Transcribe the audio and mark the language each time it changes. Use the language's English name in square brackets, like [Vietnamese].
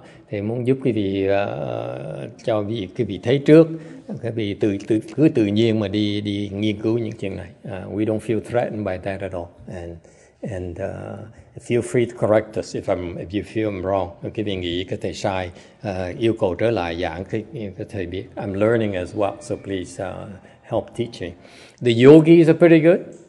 [Vietnamese] Thì muốn giúp quý vị cho quý vị thấy trước, quý vị cứ tự nhiên mà đi nghiên cứu những chuyện này. [English] We don't feel threatened by that at all, and feel free to correct us if you feel I'm wrong. [Vietnamese] Quý vị nghĩ có thể sai, yêu cầu trở lại giảng có thể biết. [English] I'm learning as well, so please help teaching. The yogis are pretty good.